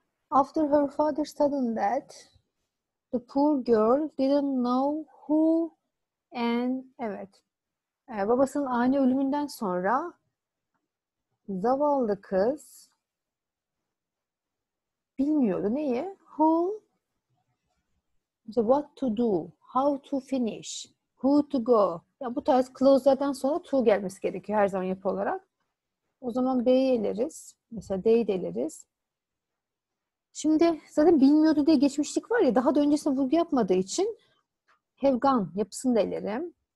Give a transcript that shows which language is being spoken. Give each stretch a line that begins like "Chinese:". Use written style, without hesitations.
English: After her father's sudden death, the poor girl didn't know who and...
Turkish: Evet. Babasının ani ölümünden sonra zavallı kız bilmiyordu neyi?
English: Who, what to do, how to finish, who to go.
Turkish: Ya bu tarz close zaten sonra to gelmesi gerekiyor her zaman yapı olarak. O zaman they eleriz. Mesela they eleriz. Şimdi zaten bilmiyordu diye geçmişlik var ya, daha da öncesinde vurgu yapmadığı için have gone yapısını da elerim.